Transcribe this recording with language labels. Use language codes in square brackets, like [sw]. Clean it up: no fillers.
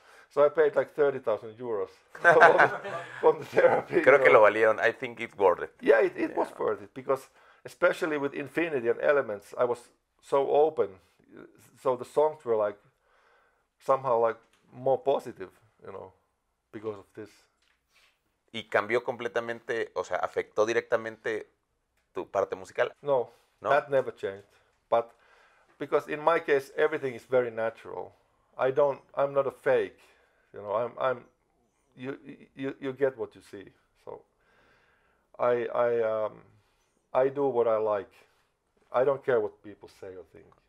[en] So I paid like 30,000 euros for the therapy. [es] Creo que lo valieron. [en] I think it's worth it. Yeah, it was worth it, because especially with Infinity and Elements, I was so open. So the songs were like somehow like more positive, you know, because of this. [es] ¿Y cambió completamente, o sea, afectó directamente tu parte musical? [en] No, that never changed. But because in my case, everything is very natural. I'm not a fake, you know, you get what you see. So I do what I like. I don't care what people say or think.